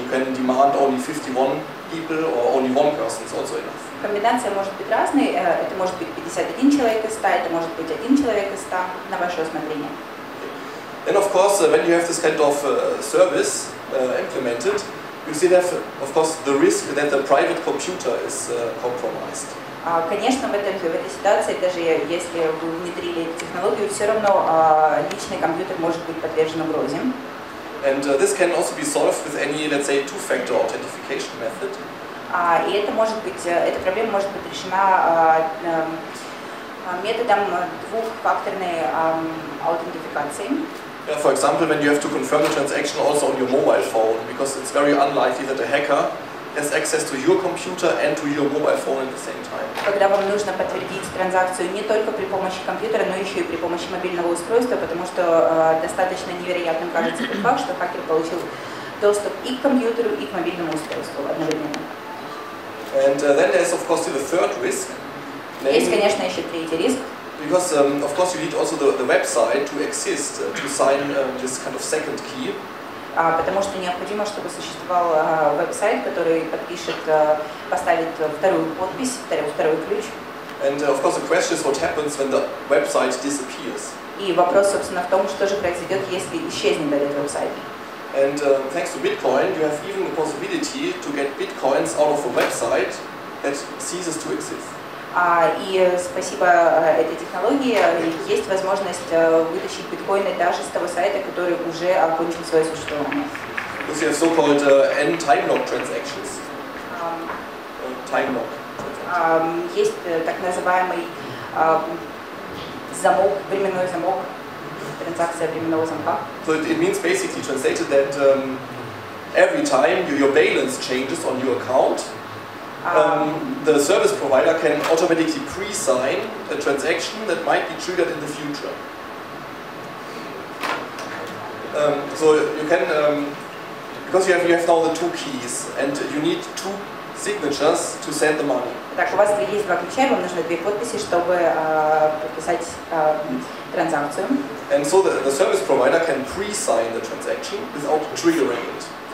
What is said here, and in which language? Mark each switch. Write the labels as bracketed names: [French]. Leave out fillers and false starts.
[English] You can demand only 51 people or only one person. It's also enough. [Russian] Комбинация может быть разной. Это может быть 51 человек из 100, это может быть 1 человек из 100, на ваше усмотрение. [English] And of course, when you have this kind of service implemented, you still have, of course, the risk that the private computer is compromised. [Russian] Конечно, в этой ситуации, даже если вы внедрили эту технологию, все равно личный компьютер может быть подвержен угрозе. [English] And this can also be solved with any, let's say, two-factor authentication method. [Russian] И это может быть, эта проблема может быть решена методом двухфакторной аутентификации. [English] Yeah, for example, when you have to confirm the transaction also on your mobile phone, because it's very unlikely that a hacker has access to your computer and to your mobile phone at the same time. [Russian] Когда вам нужно подтвердить транзакцию не только при помощи компьютера, но еще и при помощи мобильного устройства, потому что достаточно невероятным кажется тот факт, что хакер получил доступ и к компьютеру, и к мобильному устройству одновременно. [English] And then there's of course the third risk. [Russian] Есть, конечно, еще третий риск. [English] Because of course you need also the website to exist to sign this kind of second key. [Russian] Потому что необходимо, чтобы существовал веб-сайт, который подпишет, поставит вторую подпись, второй ключ. [English] And of course the question is what happens when the website disappears. [Russian] И вопрос, собственно, в том, что же произойдет, если исчезнет этот веб-сайт. [English] And thanks to Bitcoin, you have even the possibility to get bitcoins out of a website that ceases to exist. [Russian] И спасибо этой технологии есть возможность вытащить биткоины даже с того сайта, который уже окончил свое существование. [English] Because you have so-called end time lock transactions. Time lock. [Russian] Есть так называемый замок, временной замок. [English] So it means basically translated that every time your balance changes on your account, the service provider can automatically pre-sign a transaction that might be triggered in the future. So you can, because you have now the two keys and you need two signatures to send the money. [Russian] Так, у вас есть два ключа, вам нужны две подписи, чтобы подписать транзакцию. [English] And so the service provider can pre-sign the transaction without triggering it.